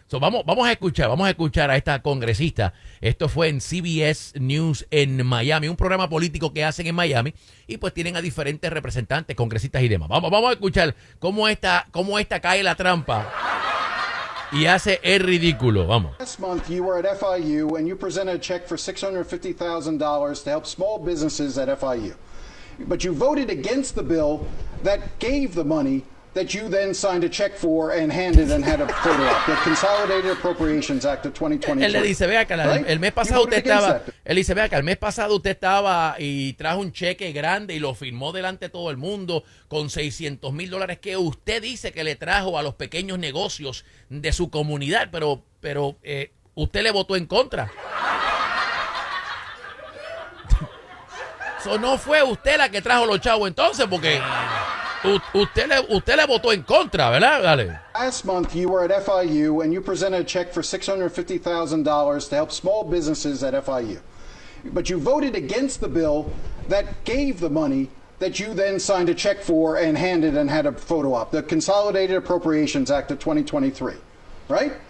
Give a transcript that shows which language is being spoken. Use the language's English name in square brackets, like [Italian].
[Spanish] So, vamos a escuchar a esta congresista. Esto fue en CBS News en Miami, un programa político que hacen en Miami, y pues tienen a diferentes representantes, congresistas y demás. Vamos a escuchar cómo esta cae la trampa y hace el ridículo. Vamos. [English] Last month, you were at FIU and you presented a check for $650,000 to help small businesses at FIU. But you voted against the bill that gave the money that you then signed a check for and handed and had a photo of, the Consolidated Appropriations Act of 2020. [Spanish] Él le dice: vea que el mes pasado usted estaba. Él dice: vea que el mes pasado usted estaba y trajo un cheque grande y lo firmó delante de todo el mundo con $600,000 que usted dice que le trajo a los pequeños negocios de su comunidad, pero usted le votó en contra. Eso no fue usted la que trajo los chavos entonces, porque. Usted le votó en contra, ¿verdad? Dale. [English] Last month you were at FIU and you presented a check for $650,000 to help small businesses at FIU. But you voted against the bill that gave the money that you then signed a check for and handed and had a photo op, the Consolidated Appropriations Act of 2023. Right?